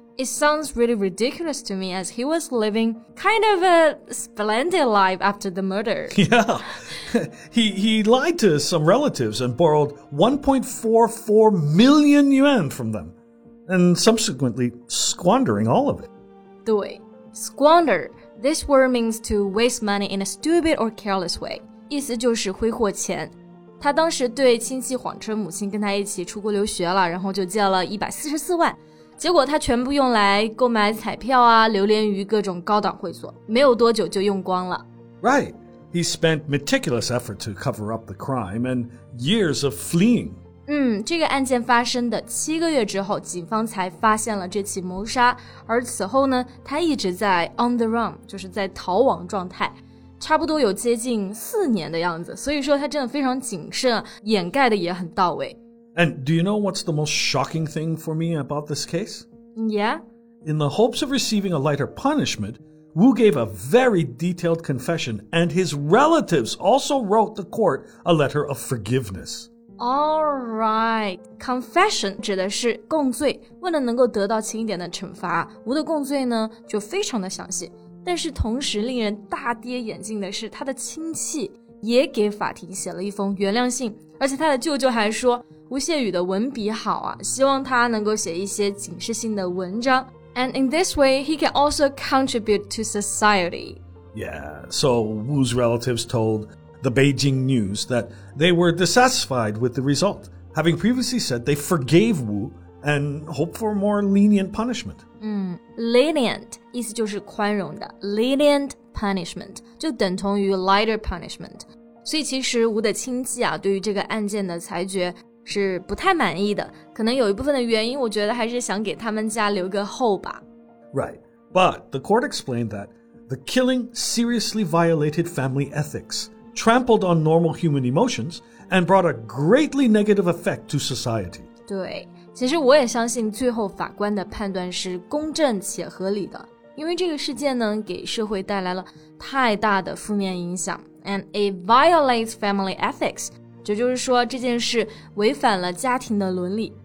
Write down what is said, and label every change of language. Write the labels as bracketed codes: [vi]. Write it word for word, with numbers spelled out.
[en] It sounds really ridiculous to me as he was living kind of a splendid life after the murder. Yeah, he, he lied to some relatives and borrowed one point four four million yuan from them, and subsequently squandering all of it. [zh] 对 [en] squander, this word means to waste money in a stupid or careless way. [zh] 意思就是挥霍钱。他当时对亲戚谎称母亲跟他一起出国留学了，然后就借了一百四十四万，结果他全部用来购买彩票啊，流连于各种高档会所，没有多久就用光了。 [en] Right, he spent meticulous effort to cover up the crime and years of fleeing. [zh] 嗯，这个案件发生的七个月之后，警方才发现了这起谋杀，而此后呢，他一直在 [en] on the run， [zh] 就是在逃亡状态。差不多有接近四年的样子，所以说他真的非常谨慎，掩盖的也很到位。 [en] And do you know what's the most shocking thing for me about this case? Yeah? In the hopes of receiving a lighter punishment, Wu gave a very detailed confession, and his relatives also wrote the court a letter of forgiveness. All right. [zh] Confession 指的是供罪，为了能够得到轻一点的惩罚，Wu的供罪呢，就非常的详细。但是同时令人大跌眼镜的是，他的亲戚也给法庭写了一封原谅信，而且他的舅舅还说吴谢宇的文笔好啊，希望他能够写一些警示性的文章。 [en] And in this way, he can also contribute to society. Yeah, so Wu's relatives told the Beijing News that they were dissatisfied with the result, having previously said they forgave Wu and hope for more lenient punishment. [zh] 嗯 lenient 意思就是宽容的， [en] lenient punishment [zh] 就等同于 [en] lighter punishment， [zh] 所以其实吴的亲戚啊，对于这个案件的裁决是不太满意的，可能有一部分的原因我觉得还是想给他们家留个后吧。 [en] Right, but the court explained that the killing seriously violated family ethics, trampled on normal human emotions, and brought a greatly negative effect to society. [zh] 对，其实我也相信最后法官的判断是公正且合理的，因为这个事件呢给社会带来了太大的负面影响。 [en] And it violates family ethics， [zh] 这就是说这件事违反了家庭的伦理。